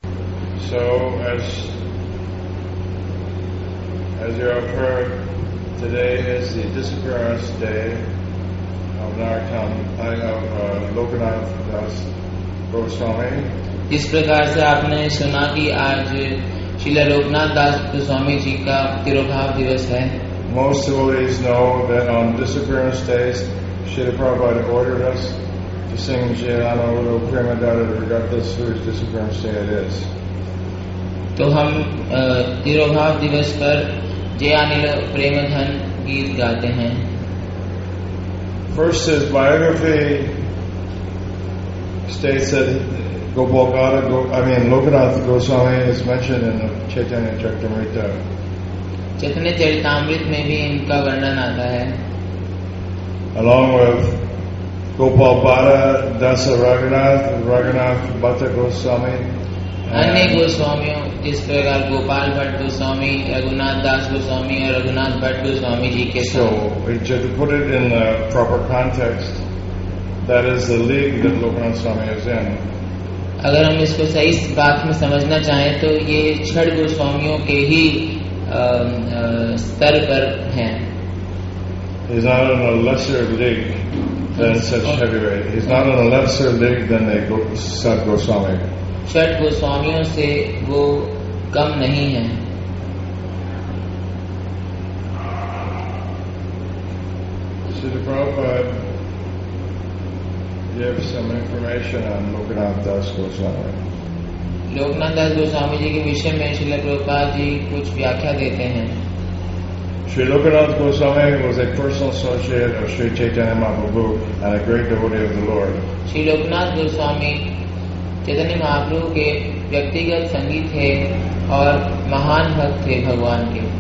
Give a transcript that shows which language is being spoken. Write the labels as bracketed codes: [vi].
[en] So as you have heard, today is the disappearance day of Narottam, Lokanath Das Goswami. [hi] जिस प्रकार से आपने सुना कि आज श्री लोकनाथ दास गोस्वामी जी का तिरोभाव दिवस है. [en] Most devotees know that on disappearance days, Srila Prabhupada ordered us to sing Jayana Uru Prima Dada Regattas, whose disappearance day it is. [hi] तो हम तिरोभाव दिवस पर जय अनिल प्रेमधन गीत गाते हैं. [en] First, his biography states that Lokanath Goswami is mentioned in Chaitanya Charitamrita. [hi] Chaitanya Charitamrita में भी इनका वर्णन आता है. [en] Along with Gopal Bhatta Dasa Raghunath, Raghunath Bhatta Goswami. [hi] अन्य गोस्वामियों जिस प्रकार गोपाल भट्ट गोस्वामी, रघुनाथ दास गोस्वामी और रघुनाथ भट्ट गोस्वामी जी के साथ. [en] So, to put it in the proper context, that is the league that Lokanath Swami is in. [hi] अगर हम इसको सही बात में समझना चाहें तो ये छठ गोस्वामियों के ही स्तर पर हैं. [en] He's not in a lesser league than such heavyweight. He's not in a lesser league than a Sat Goswami. [hi] Chhath गोस्वामियों से वो कम नहीं है. [en] Srila Prabhupada gave some information on Lokanath Das Goswami. [hi] Loknath दास गोस्वामी जी के विषय में श्रीला प्रभुपाद जी कुछ व्याख्या देते हैं. [en] Shri Loknath Goswami was a personal associate of Sri Chaitanya Mahaprabhu and a great devotee of the Lord. [hi] Shri Loknath Goswami Chaitanya Mahaprabhu के व्यक्तिगत संगी थे और महान भक्त थे भगवान के.